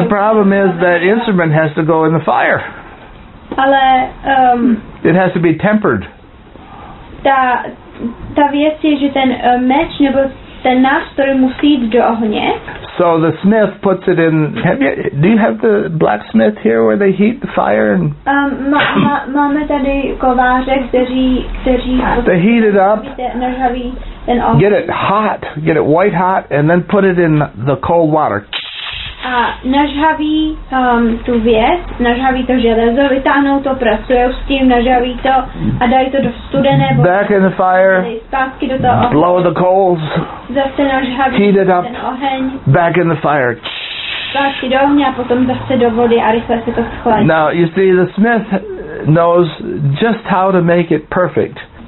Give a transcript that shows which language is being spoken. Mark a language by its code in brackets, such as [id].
[en] The problem is that instrument has to go in the fire. [cs] Ale... [en] It has to be tempered. [cs] Ta věc je, že ten meč nebo ten nástroj musí jít do ohně. [en] So the smith puts it in... Do you have the blacksmith here where they heat the fire? And [cs] máme tady kováře, kteří... [en] They heat it up. [cs] Nažhaví ten ohně. [en] Get it hot. Get it white hot and then put it in the cold water. [cs] A nažhaví tu věc, nažhaví to železo, vytáhnou to, pracujou s tím, nažhaví to a dají to do studené vody. [en] Back in the fire. [cs] Zpátky do toho ohně. [en] Blow the coals. [cs] Zase nažhaví [en] heat it up, [cs] ten oheň. [en] Back in the fire. [cs] Zpátky do ohně a potom zase do vody a rychle se to schladí. [en] Now, you see, the smith knows just how to make it perfect.